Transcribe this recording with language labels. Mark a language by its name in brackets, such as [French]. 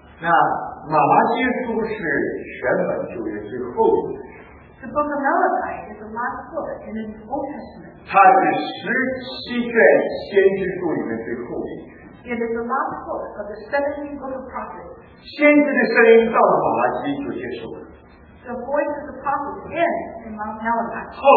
[Chinese] 那马拉基书是全本旧约最后一本。 [English] The book of Malachi is the last book in the Old Testament. [Chinese] 它是十七卷先知书里面最后一本。 [English] It is the last book of the 17 book of prophets. [Chinese] 先知的声音到了马拉基就结束了。 [English] The voice of the prophet ends in Mount Malachi.